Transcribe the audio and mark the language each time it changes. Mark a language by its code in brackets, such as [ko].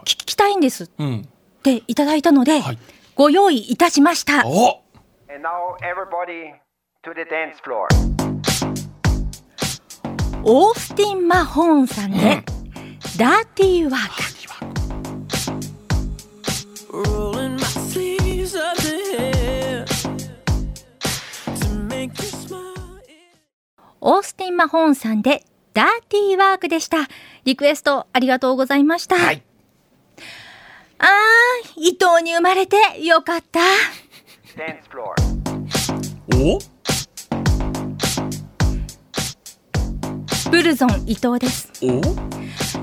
[ja] 聞きたいんですっていただいたので、ご用意いたしました。お、 [en] And now everybody to the dance floor。 [ja] オースティン・マホーンさんで、ダーティーワーク。 [en] Rolling my sleeves up the hair to make you smile。 [ja] オースティン・マホーンさんでダーティーワークでした。リクエストありがとうございました。はい、あー、伊藤に生まれてよかった。ダンスフロア。お、ブルゾン伊藤です。お、